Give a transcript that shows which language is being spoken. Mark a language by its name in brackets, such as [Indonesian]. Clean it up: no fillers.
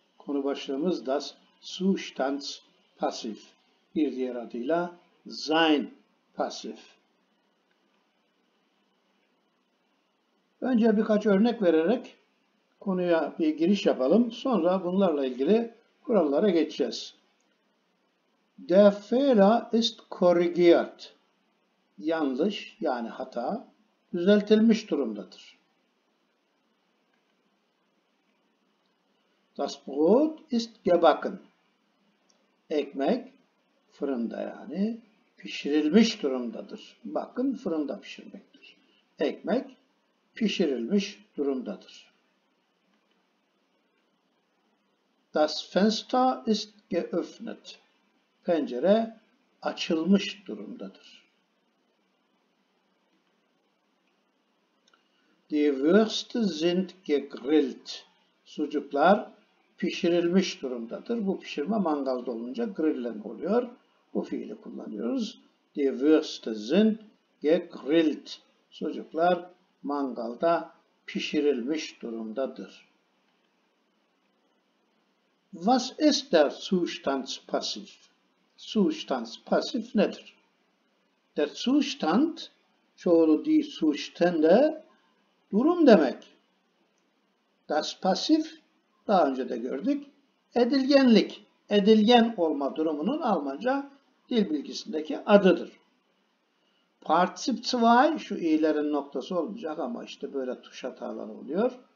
[Turkish] Konu başlığımız Das Zustands Passiv. Bir diğer adıyla Sein Passiv. Önce birkaç örnek vererek konuya bir giriş yapalım. Sonra bunlarla ilgili kurallara geçeceğiz. [German] Der Fehler ist korrigiert. [Turkish] Yanlış yani hata düzeltilmiş durumdadır. [German] Das Brot ist gebacken. [Turkish] Ekmek fırında yani pişirilmiş durumdadır. Bakın fırında pişirmektir. Ekmek pişirilmiş durumdadır. [German] Das Fenster ist geöffnet. [Turkish] Pencere açılmış durumdadır. [German] Die Würste sind gegrillt. [Turkish] Sucuklar pişirilmiş durumdadır. Bu pişirme mangalda olunca grillen oluyor. Bu fiili kullanıyoruz. [German] Die Würste sind gegrillt. [Turkish] Sucuklar mangalda pişirilmiş durumdadır. [German] Was ist der Zustandspassiv? [Turkish] Zustandspassiv nedir? Der Zustand, çoğulu die Zustände, durum demek. Das Passiv, daha önce de gördük. Edilgenlik, edilgen olma durumunun Almanca dil bilgisindeki adıdır. Partizip 2, şu i'lerin noktası olmayacak ama işte böyle tuş hataları oluyor.